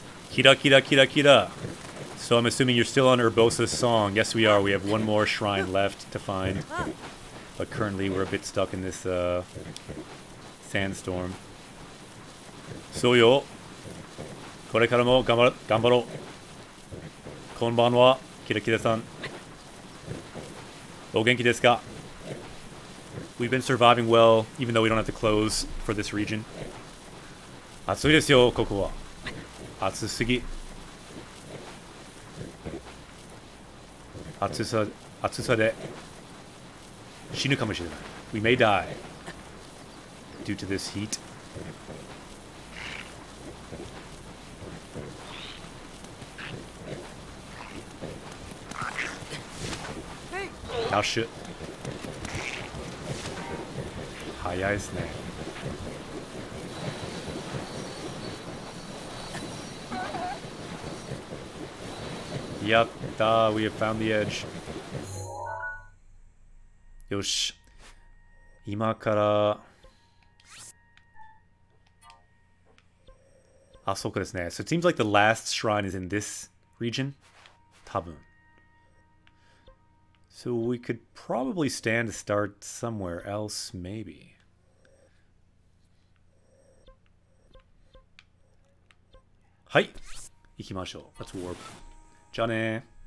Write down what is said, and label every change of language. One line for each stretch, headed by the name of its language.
Japanese: キラキラキラキラ。
English: So I'm assuming you're still on Urbosa's song. Yes we are, we have one more shrine left to find. But currently we're a bit stuck in this sandstorm. So yo,
Japanese: これからも頑張ろう。こんばんは、キラキラさん。お元気ですか?
English: We've been surviving well, even though we don't have to close for this region.
Japanese: 暑いですよ、ここは。暑すぎ。暑さで死ぬかもしれない。
English: We may die due to this heat.
Japanese: ダッシュ早いですね。やったー、
English: We have found the edge。
Japanese: よし、今からあそこですね。
English: So it seems like the last shrine is in this region
Japanese: 多分。
English: So we could probably stand to start somewhere else, maybe.
Japanese: はい、行きましょう。
English: Let's warp.
Japanese: じゃあね。